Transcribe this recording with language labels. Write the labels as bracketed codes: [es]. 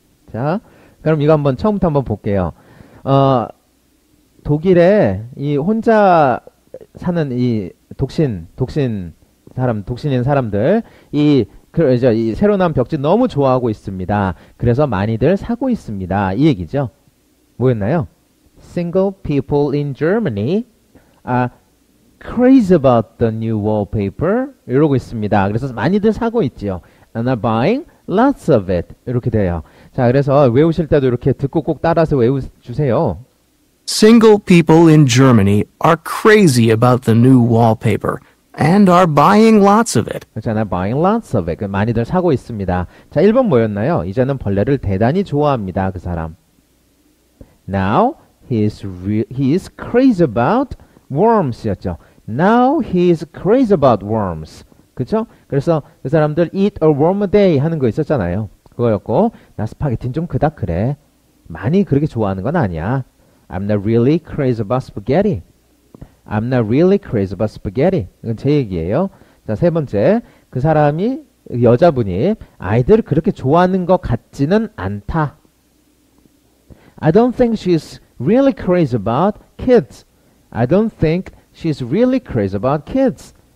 [ko] 자, 그럼 이거 한번 처음부터 한번 볼게요. 독일에 이 혼자 사는 이 독신인 사람들 이 그러죠. 이 새로 나온 벽지 너무 좋아하고 있습니다. 그래서 많이들 사고 있습니다. 이 얘기죠. 뭐였나요? [en] Single people in Germany are crazy about the new wallpaper. [ko] 이러고 있습니다. 그래서 많이들 사고 있죠. [en] And are buying lots of it. [ko] 이렇게 돼요. 자, 그래서 외우실 때도 이렇게 듣고 꼭 따라서 외워주세요. [en] Single people in Germany are crazy about the new wallpaper. And are buying lots of it. [ko] 그렇잖아, [en] buying lots of it. [ko] 많이들 사고 있습니다. 자, 1번 뭐였나요? 이제는 벌레를 대단히 좋아합니다. 그 사람. [en] Now he is crazy about worms였죠. Now he is crazy about worms. [ko] 그렇죠? 그래서 그 사람들 [en] eat a worm a day [ko] 하는 거 있었잖아요. 그거였고, 나 스파게티는 좀 그닥 그래. 많이 그렇게 좋아하는 건 아니야. [en] I'm not really crazy about spaghetti. I'm not really crazy about spaghetti. [ko] 이건 제 얘기예요. 자, 세 번째. 그 사람이, 여자분이 아이들 그렇게 좋아하는 것 같지는 않다. [en] I don't think she's really crazy about kids. I don't think she's really crazy about kids.